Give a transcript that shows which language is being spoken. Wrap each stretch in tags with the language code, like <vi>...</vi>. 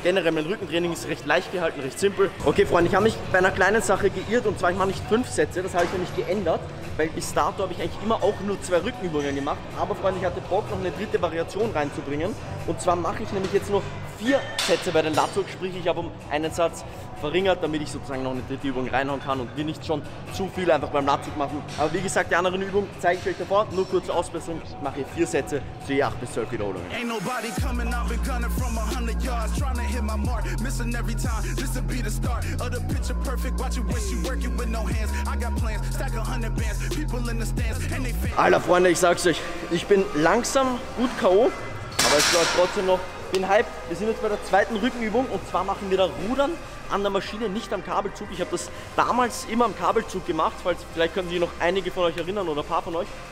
<de>Generell mein Rückentraining ist recht leicht gehalten, recht simpel. Okay, Freunde, ich habe mich bei einer kleinen Sache geirrt und zwar, ich mache nicht 5 Sätze, das habe ich nämlich geändert, weil bis dato habe ich eigentlich immer auch nur 2 Rückenübungen gemacht. Aber, Freunde, ich hatte Bock, noch eine dritte Variation reinzubringen und zwar mache ich nämlich jetzt noch 4 Sätze bei den Latzug, sprich ich habe um einen Satz verringert, damit ich sozusagen noch eine dritte Übung reinhauen kann und wir nicht schon zu viel einfach beim Latzug machen. Aber wie gesagt, die anderen Übungen zeige ich euch davor. Nur kurze Ausbesserung, ich mache 4 Sätze zu je 8 bis 12 Wiederholungen.</de> <en>Ain't nobody coming, I've been gunning from 100 yards, trying to hit my mark, missing every time, this will be the start of the picture perfect, watch you wish you working with no hands, I got plans, stack 100 bands, people in the stands, and they fit.</en> <de>Alter Freunde, ich sag's euch, ich bin langsam gut K.O., aber es läuft trotzdem noch. Ich bin hyped. Wir sind jetzt bei der zweiten Rückenübung und zwar machen wir da Rudern an der Maschine, nicht am Kabelzug. Ich habe das damals immer am Kabelzug gemacht, falls vielleicht können sich noch einige von euch erinnern oder ein paar von euch.</de>